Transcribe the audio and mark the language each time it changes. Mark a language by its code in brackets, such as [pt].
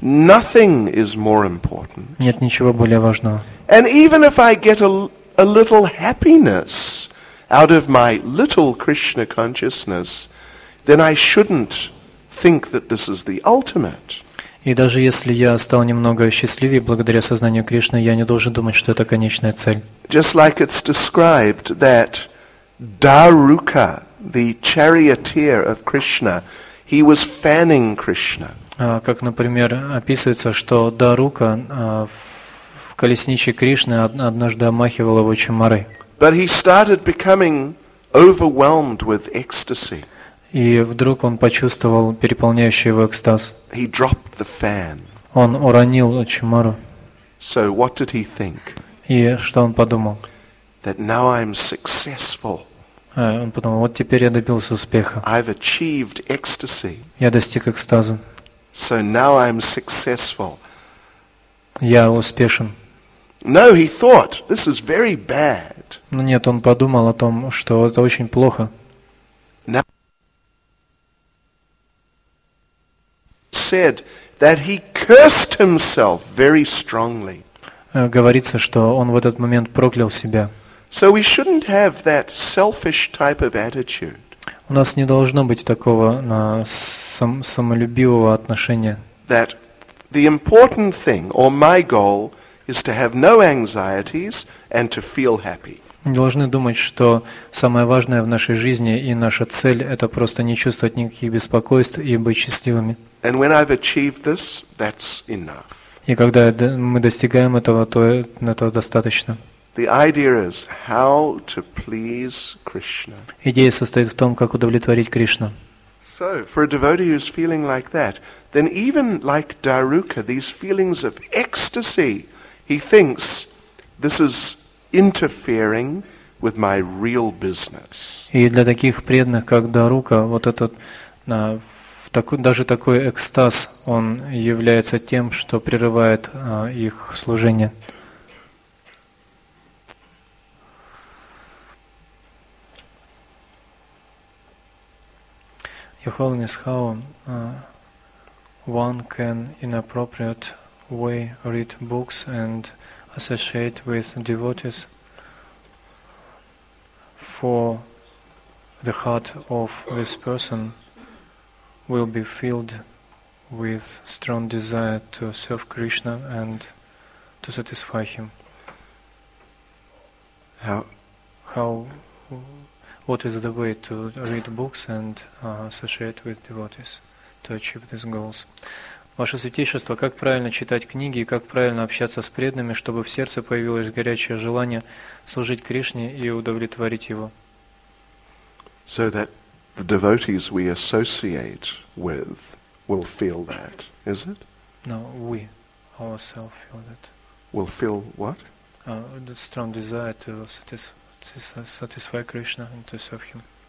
[en] Nothing is more important. [ru] Нет ничего более важного. [en] And even if I get a little happiness out of my little Krishna consciousness, then I shouldn't think that this is the ultimate. [ru] И даже если я стал немного счастливее благодаря сознанию Кришны, я не должен думать, что это конечная цель. [en] Just like it's described that Daruka, the charioteer of Krishna, he was fanning Krishna. [ru] Как, например, описывается, что Дарука в колесниче Кришны однажды омахивал его чамарой. [en] But he started becoming overwhelmed with ecstasy. [ru] И вдруг он почувствовал переполняющий его экстаз. [en] He dropped the fan. [ru] Он уронил чамару. [en] So what did he think? [ru] И что он подумал? [en] That now I'm successful. [ru] Он подумал, вот теперь я добился успеха. [en] I've achieved ecstasy. [ru] Я достиг экстаза. [en] So now I'm successful. [ru] Я успешен. [en] No, he thought, this is very bad. [ru] Но нет, он подумал о том, что это очень плохо. [en] Said that he cursed himself very strongly. [ru] Говорится, что он в этот момент проклял себя. [en] So we shouldn't have that selfish type of attitude. [ru] У нас не должно быть такого самолюбивого отношения. [en] That the important thing or my goal is to have no anxieties and to feel happy. [ru] Мы должны думать, что самое важное в нашей жизни и наша цель — это просто не чувствовать никаких беспокойств и быть счастливыми. [en] And when I've achieved this, that's enough. [ru] И когда мы достигаем этого, то этого достаточно. [en] The idea is how to please Krishna. [ru] Идея состоит в том, как удовлетворить Кришну. [en] So, for a devotee who's feeling like that, then even like Daruka, these feelings of ecstasy, he thinks this is interfering with my real business. [ru] И для таких преданных, как Дарука, вот этот даже такой экстаз, он является тем, что прерывает их служение. [en] Your Holiness, how one can in appropriate way read books and associate with devotees for the heart of this person will be filled with strong desire to serve Krishna and to satisfy him. What is the way to read books and associate with devotees to achieve these goals? [ru] Ваше святейшество, как правильно читать книги и как правильно общаться с преданными, чтобы в сердце появилось горячее желание служить Кришне и удовлетворить его? [en] So that the devotees we associate with will feel that, is it? No, we ourselves feel that. Will feel what? The strong desire to satisfy Krishna and to serve him.